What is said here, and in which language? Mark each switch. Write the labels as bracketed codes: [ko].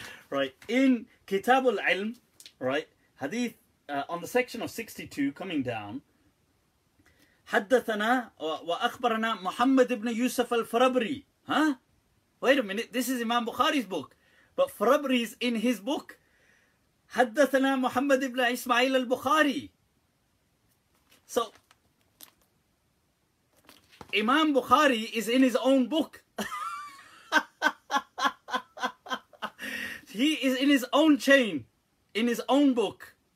[en] Right. In Kitab al-Ilm, right, Hadith, on the section of 62, coming down, [ar] حدثنا وأخبرنا محمد بن يوسف الفربري. [en] Huh? Wait a minute, this is Imam Bukhari's book. But Farabri is in his book. [ar] حَدَّثَنَا مُحَمَّدِ ibn إِسْمَعِيلَ الْبُخَارِي. [en] So, Imam Bukhari is in his own book. He is in his own chain, in his own book.